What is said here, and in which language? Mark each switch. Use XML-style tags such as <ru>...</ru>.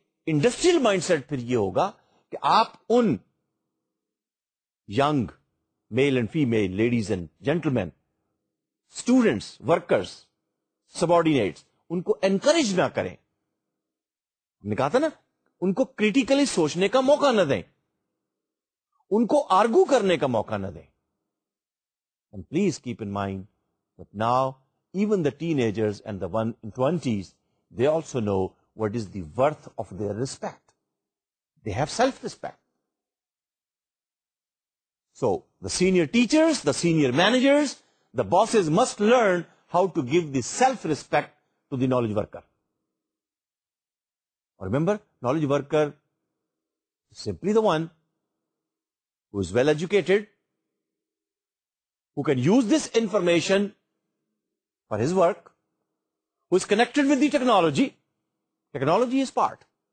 <en>industrial mindset</en> <ur>پھر یہ ہوگا کہ آپ</ur> <en>ان young male and female ladies and gentlemen students workers subordinates</en> <ur>ان کو انکریج نہ کریں. ہم نے کہا تھا نا ان کو کریٹیکلی سوچنے کا موقع نہ دیں, ان کو آرگو کرنے کا موقع نہ دیں.</ur> <en>And please keep in mind that now even the teenagers and the one in twenties they also know what is the worth of their respect. They have self-respect. So, the senior teachers, the senior managers, the bosses must learn how to give the self-respect to the knowledge worker. Remember, knowledge worker is simply the one who is well-educated, who can use this information for his work, who is connected with the technology. Technology is part.</en>